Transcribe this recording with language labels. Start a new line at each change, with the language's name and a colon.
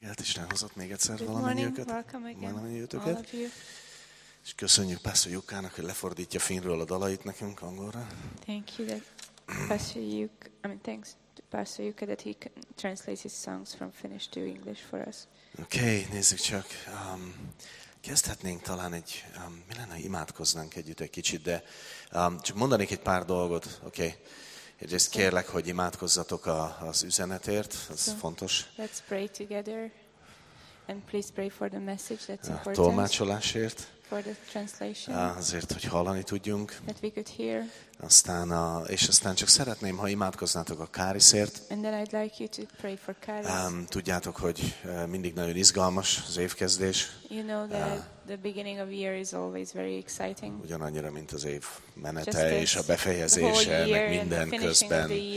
Hungarian: Élt Isten hozott még egyszer valamennyiöket. Valamennyiöket. És köszönjük Pásztor Jukának, hogy lefordítja finnről a dalait nekünk angolra.
English: Thank you that Pastor Juk, I mean thanks to Pastor Juk that he translates his songs from Finnish to English for us.
Hungarian: Okay, nézzük csak. Kezdhetnénk talán egy, mi lenne, ha imádkoznánk együtt egy kicsit, de csak mondanék egy pár dolgot, oké. Okay. Egyrészt kérlek, hogy imádkozzatok az üzenetért, az fontos.
English: Let's pray together, and please pray for the message that's important.
Hungarian: A tolmácsolásért.
English: For the translation.
Hungarian: Azért, hogy hallani tudjunk.
English: That we could hear.
Hungarian: Aztán csak szeretném, ha imádkoznátok a Kárisért.
English: And then I'd like you to pray for Káris.
Hungarian: Tudjátok, hogy mindig nagyon izgalmas az évkezdés.
English: You know that the beginning of year is always very exciting.
Hungarian: Ugyanannyira, mint az év menete és a befejezése, meg minden közben.